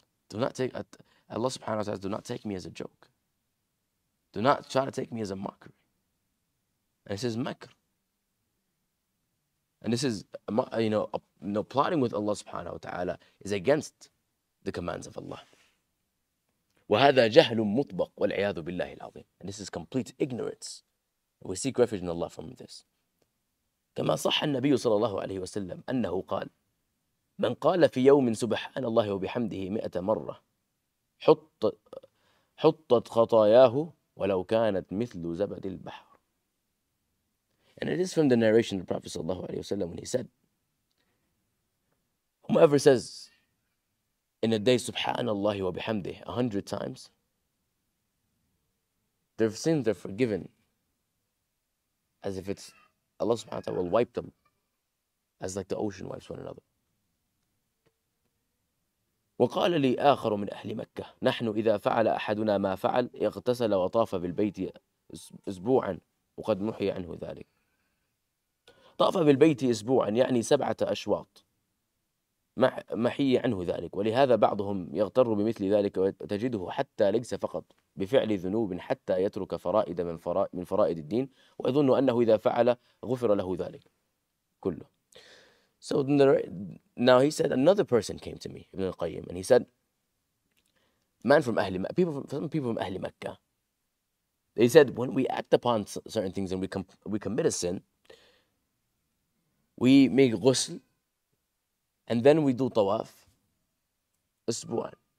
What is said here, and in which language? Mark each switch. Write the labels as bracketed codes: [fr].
[en] Do not take, Allah subhanahu wa ta'ala, do not take me as a joke. Do not try to take me as a mockery. And this is makr. And this is, you know, plotting with Allah subhanahu wa ta'ala is against the commands of Allah. [ar] وهذا جهل مطبق والعياذ بالله العظيم. [en] And this is complete ignorance. We seek refuge in Allah from this. [ar] كما صح النبي صلى الله عليه وسلم أنه قال من قال في يوم سبحان الله وبحمده 100 مرة حطت خطاياه ولو كانت مثل زبد البحر. [en] And it is from the narration of the Prophet [ar] صلى الله عليه وسلم [en] when he said, whomever says in a day, subhanallah wa bihamdih, 100 times, their sins are forgiven. As if it's Allah subhanahu wa ta'ala will wipe them, as like the ocean wipes one another. [ar] وقال لي آخر من أهل مكة نحن إذا فعل أحدنا ما فعل اغتسل وطاف بالبيت أسبوعا وقد نحي عنه ذلك. طاف بالبيت أسبوعا يعني 7 أشواط. محي عنه ذلك ولهذا بعضهم يغتر بمثل ذلك وتجده حتى ليس فقط بفعل ذنوب حتى يترك فرائد من فرائد الدين ويظن أنه إذا فعل غفر له ذلك كله. [en] So now he said another person came to me, Ibn al-Qayyim, and he said, man from Ahli Makkah, some people from Ahli Makkah, they said when we act upon certain things and we commit a sin, we make ghusl, and then we do tawaf, asbu'an.